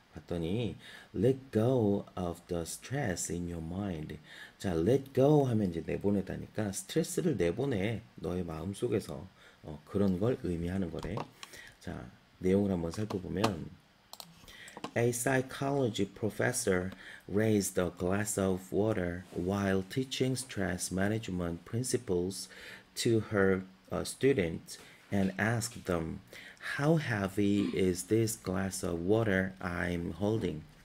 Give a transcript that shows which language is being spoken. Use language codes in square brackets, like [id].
[ko] 봤더니 [en] let go of the stress in your mind. [ko] 자, let go 하면 이제 내보내다니까 스트레스를 내보내 너의 마음속에서 그런 걸 의미하는 거래. 자, 내용을 한번 살펴보면 [en] A psychology professor raised a glass of water while teaching stress management principles to her students and asked them, "How heavy is this glass of water I'm holding?"